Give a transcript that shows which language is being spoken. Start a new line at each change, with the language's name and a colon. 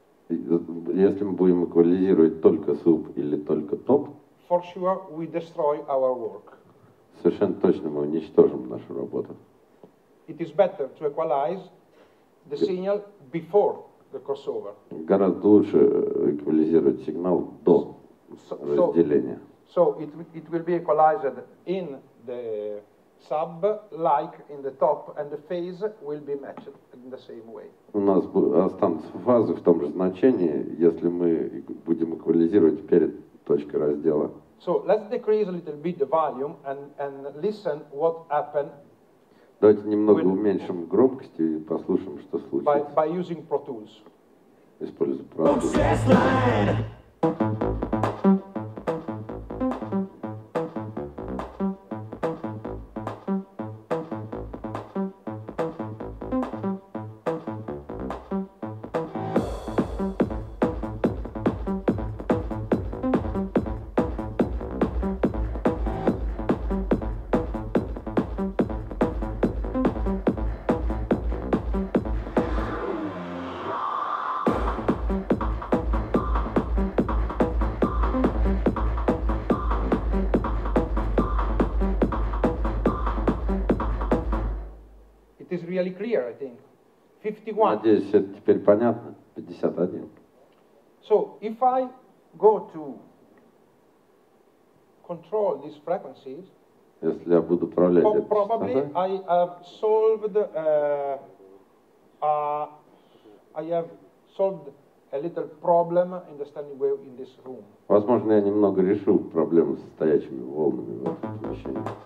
Russian: Если мы будем эквализировать только суб или только топ,
English: for sure we destroy our work.
Russian: Совершенно точно мы уничтожим нашу работу.
English: It is better to equalize the signal before the crossover.
Russian: Гораздо лучше эквализировать сигнал до разделения.
English: So it will be equalized in the sub, like in the top, and the phase will be matched in the same way.
Russian: У нас останутся фазы в том же значении, если мы будем эквализировать перед точкой раздела.
English: So let's decrease a little bit the volume and listen what happened.
Russian: Давайте немного уменьшим громкость и послушаем, что случится.
English: By using Pro Tools.
Russian: Используя Pro Tools.
English: Really clear, I think. 51.
Russian: Надеюсь, это теперь понятно. 51.
English: So if I go to control these frequencies,
Russian: если я буду управлять этой частотой,
English: I have solved a little problem in the standing wave in this room.
Russian: Возможно, я немного решил проблему с стоячими волнами в этом помещении.